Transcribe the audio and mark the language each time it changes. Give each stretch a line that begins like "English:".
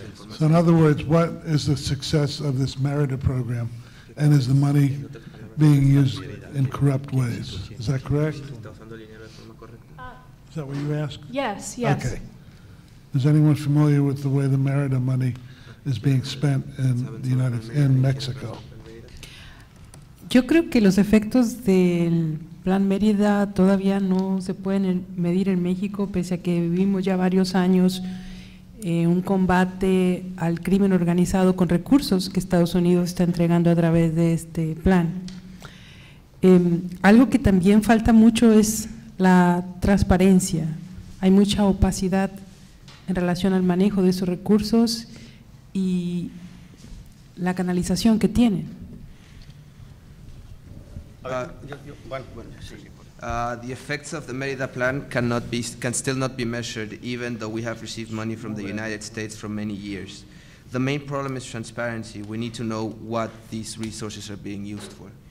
English: So in other words, what is the success of this Mérida program, and is the money being used in corrupt ways? Is that correct? Is that what you asked? Yes, yes. Okay. Is anyone familiar with the way the Merida money is being spent in the United States, in Mexico?
Spanish: Yo creo que los efectos del Plan Mérida todavía no se pueden medir en México, pese a que vivimos ya varios años un combate al crimen organizado con recursos que Estados Unidos está entregando a través de este plan. Algo que también falta mucho es la transparencia. Hay mucha opacidad en relación al manejo de esos recursos y la canalización que tienen.
English: The effects of the Merida plan can still not be measured, even though we have received money from the United States for many years. The main problem is transparency. We need to know what these resources are being used for.